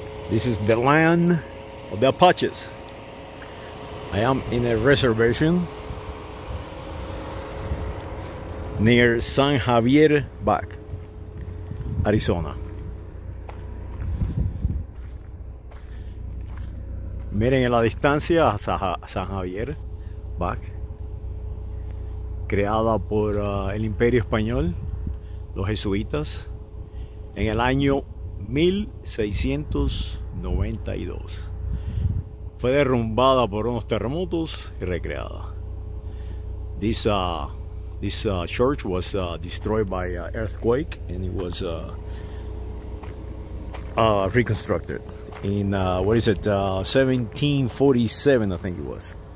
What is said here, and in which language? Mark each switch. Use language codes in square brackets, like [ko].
[en] This is the land of the Apaches. I am in a reservation near San Javier Back, Arizona. [es] Miren la distancia a San Javier Back, creada por el Imperio Español, los jesuitas, en el año 1692. Fue derrumbada por unos terremotos y recreada. [en] This church was destroyed by an earthquake and it was reconstructed in 1747, I think it was.